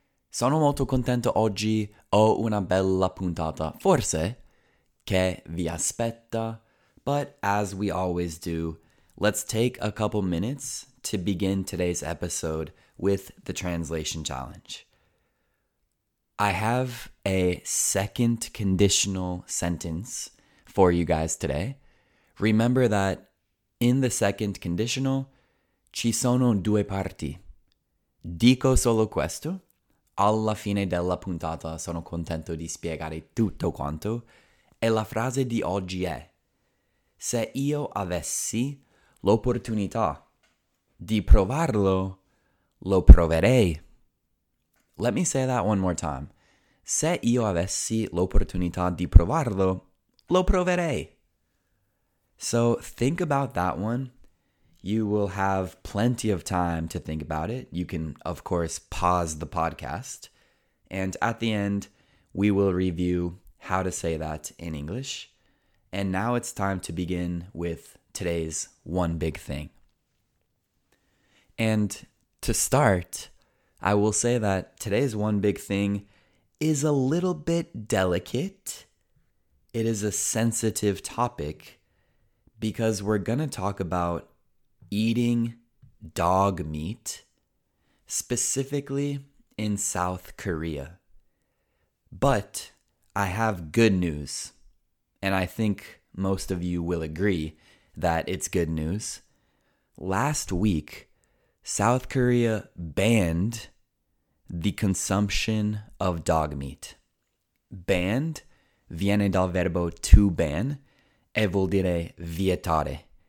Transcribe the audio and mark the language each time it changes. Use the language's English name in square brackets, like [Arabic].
[Italian] Sono molto contento oggi, ho una bella puntata, forse, che vi aspetta. [English] But as we always do, let's take a couple minutes to begin today's episode with the translation challenge. I have a second conditional sentence for you guys today. Remember that in the second conditional, [Italian] ci sono due parti. Dico solo questo. Alla fine della puntata sono contento di spiegare tutto quanto. E la frase di oggi è: se io avessi l'opportunità di provarlo, lo proverei. [English] Let me say that one more time. [Italian] Se io avessi l'opportunità di provarlo, lo proverei. [English] So think about that one. You will have plenty of time to think about it. You can, of course, pause the podcast. And at the end, we will review how to say that in English. And now it's time to begin with today's one big thing. And to start, I will say that today's one big thing is a little bit delicate. It is a sensitive topic because we're going to talk about eating dog meat, specifically in South Korea. But I have good news, and I think most of you will agree that it's good news. Last week, South Korea banned the consumption of dog meat. [Italian] Banned viene dal verbo to ban e vuol dire vietare.